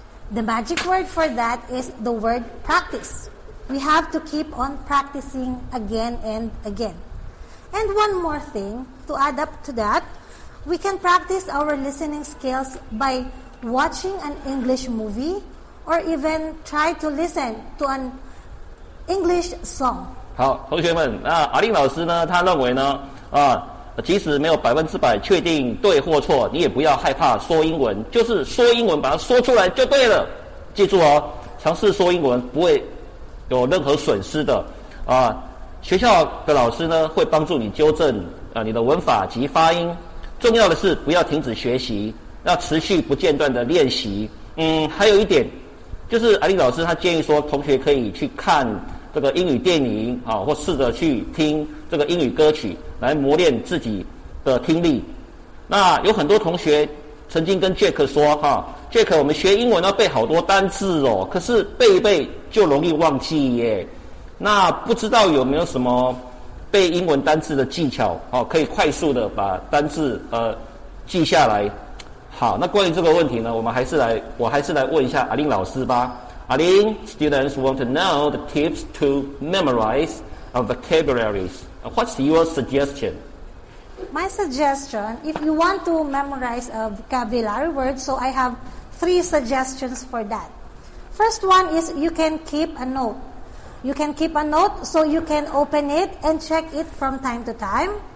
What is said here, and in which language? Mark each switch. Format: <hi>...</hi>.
<en>The magic word for that is the word practice. We have to keep on practicing again and again. And one more thing to add up to that, we can practice our listening skills by watching an English movie or even try to listen to an English song.</en> <zh>好，同学们，那阿令老师呢？他认为呢，即使没有100%确定对或错，你也不要害怕说英文，就是说英文，把它说出来就对了。记住哦，尝试说英文不会有任何损失的。学校的老师呢，会帮助你纠正你的文法及发音。重要的是不要停止学习，要持续不间断的练习。还有一点，就是阿令老师他建议说，同学可以去看这个英语电影，或试着去听这个英语歌曲，来磨练自己的听力。那有很多同学曾经跟 Jack 说，Jack，我们学英文要背好多单字哦，可是背一背就容易忘记耶。那不知道有没有什么背英文单字的技巧，可以快速的把单字记下来。好，那关于这个问题呢，我还是来问一下阿林老师吧。</zh> <en>Arlene, students want to know the tips to memorize vocabularies. What's your suggestion? My suggestion, if you want to memorize a vocabulary word, so I have three suggestions for that. First one is you can keep a note. You can keep a note so you can open it and check it from time to time.</en>